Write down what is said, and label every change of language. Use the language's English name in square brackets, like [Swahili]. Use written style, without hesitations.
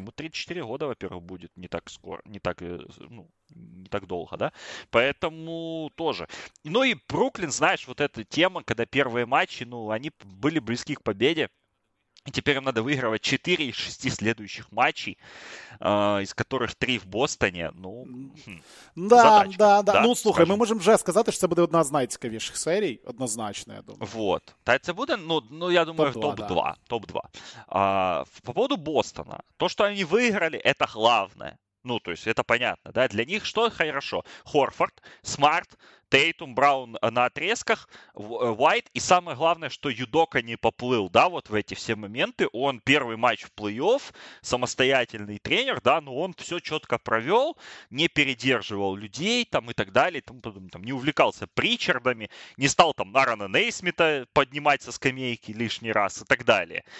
[Russian] Ему 34 года, во-первых, будет не так скоро, не так долго, да? Поэтому тоже. Ну и Бруклин, знаешь, вот эта тема, когда первые матчи, ну, они были близки к победе. И теперь им надо выигрывать 4 из 6 следующих матчей, из которых 3 в Бостоне. Ну, да, задачка. Да, да, да. [Ukrainian] Ну, слухай, скажем. Мы можем вже сказати, що це буде одна з найцікавіших серій, однозначно, я думаю. Вот. Та це буде, ну я думаю, топ-2. Да. Топ-2. [Russian] По поводу Бостона, [Ukrainian] то, що вони виграли, це головне. [Russian] Ну, то есть, это понятно, да, для них что хорошо? Хорфорд, Смарт, Тейтум, Браун на отрезках, Уайт, и самое главное, что Юдока не поплыл, да, вот в эти все моменты, он первый матч в плей-офф, самостоятельный тренер, да, но он все четко провел, не передерживал людей, там, и так далее, там, не увлекался Причардами, не стал, там, Нарана Нейсмита поднимать со скамейки лишний раз, и так далее.